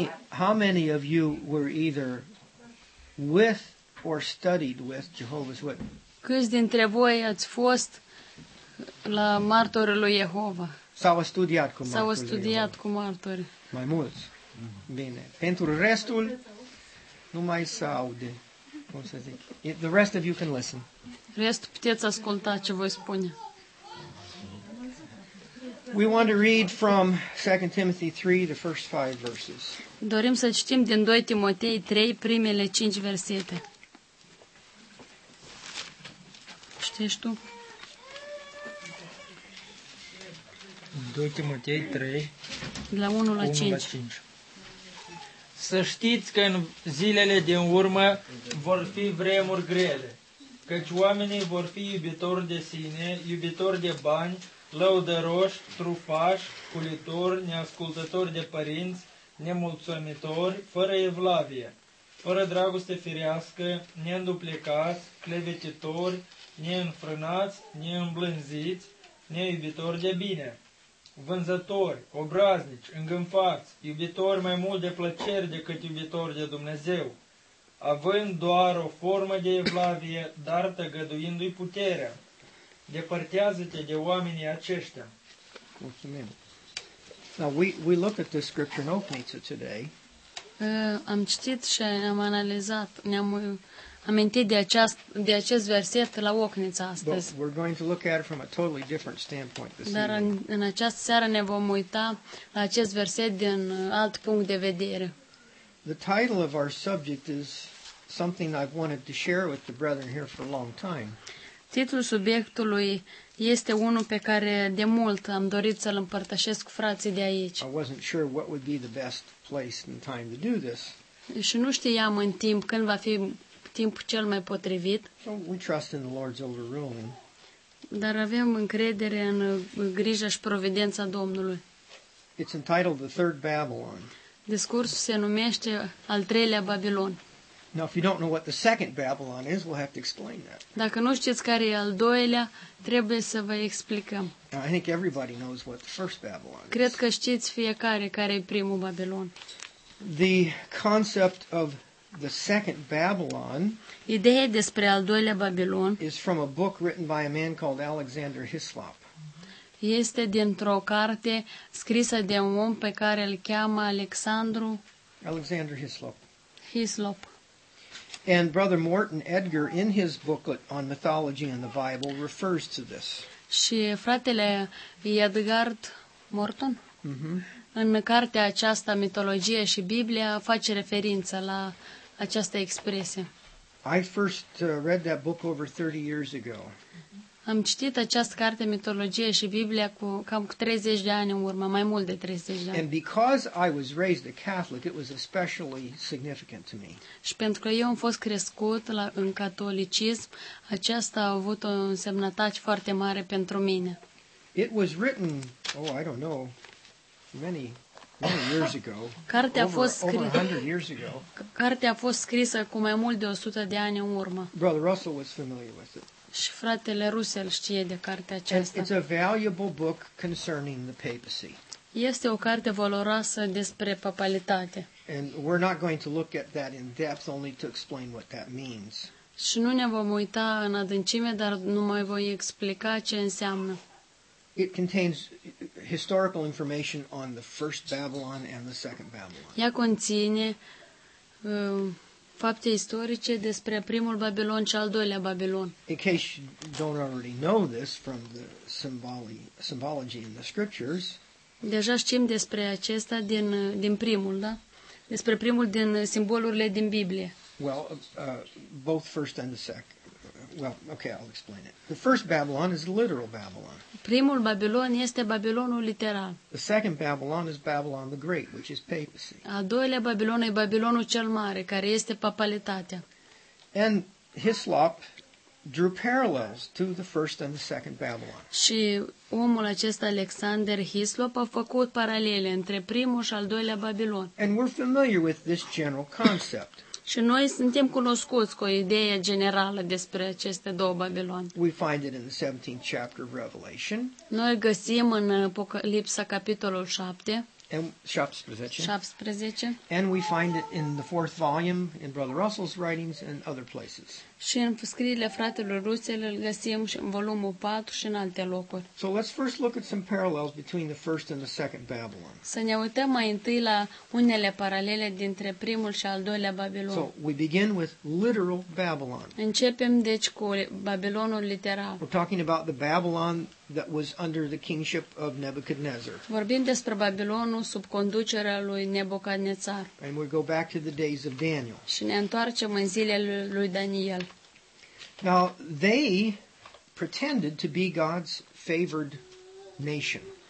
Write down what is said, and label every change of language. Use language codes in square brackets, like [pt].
[en] How many of you were either with or studied with Jehovah's Witness? [ro] Câți dintre voi ați fost la martorul lui Jehova? S-au studiat cu martori. Mai mulți. Bine. Pentru restul, nu mai se aude. Cum să zic? [en] The rest of you can listen. [ro] Restul puteți asculta ce voi spune. [en] We want to read from 2 Timothy 3, the first 5 verses. [ro] Dorim să citim din 2 Timotei 3, primele 5 versete. Citești tu? 2 Timotei 3, de la 1 la 5. Să știți că în zilele din urmă vor fi vremuri grele, căci oamenii vor fi iubitori de sine, iubitori de bani, lăudăroși, trufași, culitori, neascultători de părinți, nemulțumitori, fără evlavie, fără dragoste firească, neînduplecați, clevetitori, neînfrânați, neîmblânziți, neiubitori de bine, vânzători, obraznici, îngânfați, iubitori mai mult de plăceri decât iubitori de Dumnezeu, având doar o formă de evlavie, dar tăgăduindu-i puterea. Depărtează-te de oamenii aceștia. Mulțumim. [en] Now, we looked at this scripture in Ocniță today. [ro] Am citit și am analizat, ne-am amintit de acest verset la Ocniță astăzi. [en] But we're going to look at it from a totally different standpoint this [ro] Dar [en] evening. [ro] Dar în această seară ne vom uita la acest verset din alt punct de vedere. [en] The title of our subject is something I've wanted to share with the brethren here for a long time. [ro] Titlul subiectului este unul pe care de mult am dorit să-l împărtășesc cu frații de aici. [en] I wasn't sure what would be the best place and time to do this. [ro] Și nu știam în timp când va fi timpul cel mai potrivit. [en] So we trust in the Lord's overruling. [ro] Dar avem încredere în grija și providența Domnului. [en] It's entitled The Third Babylon. [ro] Discursul se numește Al treilea Babilon. [en] Now, if you don't know what the second Babylon is, we'll have to explain that. [ro] Dacă nu știți care e al doilea, trebuie să vă explicăm. [en] Now, I think everybody knows what the first Babylon is. [ro] Cred că știți fiecare care e primul Babilon. [en] The concept of the second Babylon, [ro] ideea despre al doilea Babilon, [en] is from a book written by a man called Alexander Hislop. [ro] Este dintr-o carte scrisă de un om pe care îl cheamă Alexandru. Alexander Hislop. Hislop. [en] And Brother Morton Edgar, in his booklet on mythology and the Bible, refers to this. [ro] Și fratele Edgar Morton, în cartea aceasta Mitologie și Biblia face referință la această expresie. [en] I first read that book over 30 years ago. [ro] Am citit această carte Mitologie și Biblia cu cam 30 de ani în urmă, mai mult de 30 de ani. [en] And because I was raised a Catholic, it was especially significant to me. [ro] Și pentru că eu am fost crescut în catolicism, aceasta a avut o însemnătate foarte mare pentru mine. [en] It was written, oh, I don't know, many years ago. [ro] Cartea a fost scrisă [en] 100 years ago. [ro] Cartea a fost scrisă cu mai mult de 100 de ani în urmă. [en] Brother Russell was familiar with it. [ro] Și fratele Russell știe de cartea aceasta. [en] It's a valuable book concerning the papacy. [ro] Este o carte valoroasă despre papalitate. [en] And we're not going to look at that in depth, only to explain what that means. [ro] Și nu ne vom uita în adâncime, dar nu mai voi explica ce înseamnă. [en] It contains historical information on the first Babylon and the second Babylon. [ro] Ea conține fapte istorice despre primul Babilon și al doilea Babilon. [en] In case you don't already know this from the symbology in the scriptures. [ro] Deja știm despre acesta din primul, da? Despre primul din simbolurile din Biblie. [en] Well, both first and the second. Well, okay, I'll explain it. The first Babylon is literal Babylon. [ro] Primul Babilon este Babilonul literal. [en] The second Babylon is Babylon the Great, which is papacy. [ro] Al doilea Babilon e Babilonul cel mare, care este papalitatea. [en] And Hislop drew parallels to the first and the second Babylon. [ro] Și omul acesta Alexander Hislop a făcut paralele între primul și al doilea Babilon. [en] And we're familiar with this general concept. [ro] Și noi suntem cunoscuți cu o idee generală despre aceste două Babiloni. [en] We find it in the 17th chapter of Revelation. [ro] Noi găsim în Apocalipsa capitolul 7. [en] And 17. [ro] 17. [en] And we find it in the fourth volume in Brother Russell's writings and other places. [ro] Și în scrierile fratelor Russell îl găsim și în volumul 4 și în alte locuri. [en] So let's first look at some parallels between the first and the second Babylon. [ro] Să ne uităm mai întâi la unele paralele dintre primul și al doilea Babilon. [en] So we begin with literal Babylon. [ro] Începem deci cu Babilonul literal. [en] We're talking about the Babylon that was under the kingship of Nebuchadnezzar. [ro] Vorbim despre Babilonul sub conducerea lui Nebucadnețar. [en] And we go back to the days of Daniel. [ro] Și ne întoarcem în zilele lui Daniel. [en] Now they pretended to be God's favored nation.